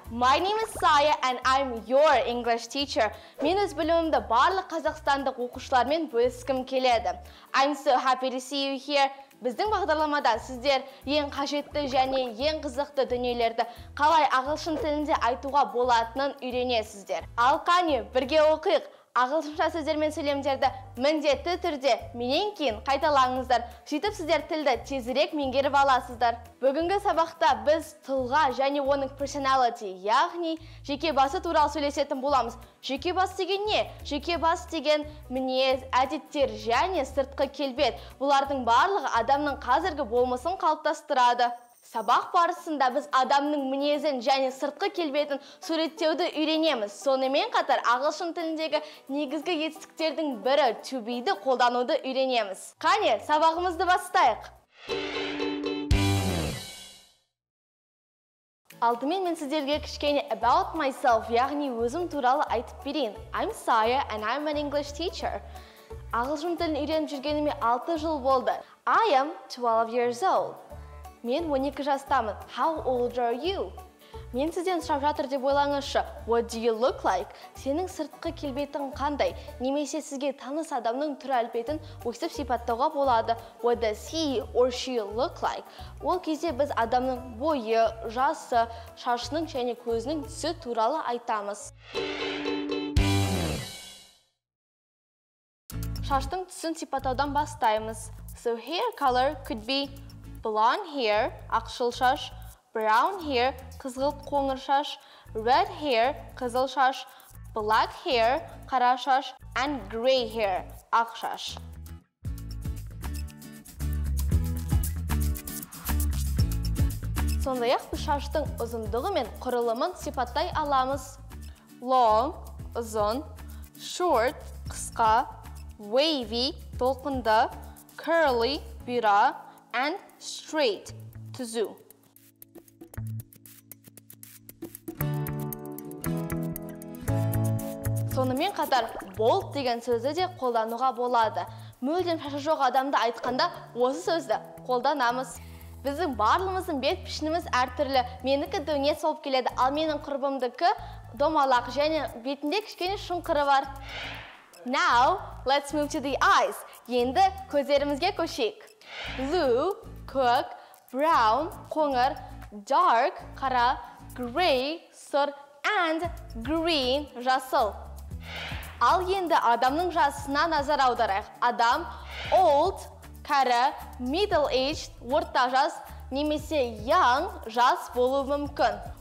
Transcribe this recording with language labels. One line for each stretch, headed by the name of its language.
English: My name is Saya and I'm your English teacher.
Kazakh: Мен өз білімімді барлық қазақстандық оқушылармен бөліскім келеді.
English: I'm so happy to see you here.
Kazakh: Біздің бағдарламада сіздер ең қажетті және ең қызықты дүниелерді қалай ағылшын тілінде айтуға болатынын үйренесіздер. Ал қане, бірге оқиық! Ағылшынша сөздер мен сөйлемдерді міндетті түрде менен кейін қайталаңыздар. Сөйтіп сіздер тілді тезірек меңгеріп аласыздар. Бүгінгі сабақта біз тұлға және оның personality, яғни жеке басы туралы сөйлесетін боламыз. Жеке бас деген не? Жеке бас деген мінез, әдеттер және сыртқы келбет. Бұлардың барлығы адамның қазіргі болмысын қалыптастырады. Сабақ барысында біз адамның мінезін және сыртқы келбетін суреттеуді үйренеміз. Сонымен қатар ағылшын тіліндегі негізгі етістіктердің бірі to be-ді қолдануды үйренеміз. Қане, сабағымызды бастайық! Алдымен мен сіздерге кішкене
English: about myself,
Kazakh: яғни өзім туралы айтып берейін.
English: I'm Saya and I'm an English teacher.
Kazakh: Ағылшын тілін үйреніп жүргеніме 6 жыл болды.
English: I am 12 years old.
Kazakh: Мен 12 жастамын.
English: How old are you?
Kazakh: Мен сізден сұрап жатыр деп ойлаңызшы.
English: What do you look like?
Kazakh: Сенің сыртқы келбетің қандай? Немесе сізге таныс адамның түр әлпетін өксіп сипаттауға болады.
English: What does he or she look like?
Kazakh: Ол кезде біз адамның бойы, жасы, шашының және көзінің түсі туралы айтамыз. Шаштың түсін сипаттаудан бастаймыз.
English: So hair color could be blonde hair,
Kazakh: ақшыл шаш,
English: brown hair,
Kazakh: қызғылт қоңыр шаш,
English: red hair,
Kazakh: қызыл шаш,
English: black hair,
Kazakh: қара шаш,
English: and grey hair,
Kazakh: ақ шаш. Сондай-ақ, біз шаштың ұзындығы мен құрылымын сипаттай аламыз.
English: Long, ұзын, short, қысқа, wavy, толқынды, curly, бұйра, and straight, түзу.
Kazakh: Сонымен қатар, bold деген сөзді де қолдануға болады. Мүлдем шашы жоқ адамды айтқанда осы сөзді қолданамыз. Біздің барлығымыздың бет пішініміз әртүрлі. Менікі дөңес солып келеді, ал менің құрбымдыкі домалақ және бетінде кішкене шұңқыры бар.
English: Now, let's move to the eyes.
Kazakh: Енді көздерімізге көшейік.
English: Blue, көк, brown, қоңыр, dark, қара, grey, сұр, and green, жасыл.
Kazakh: Ал енді адамның жасына назар аударайық. Адам old, кәрі,
English: middle aged,
Kazakh: орта жас, немесе young, жас болуы мүмкін.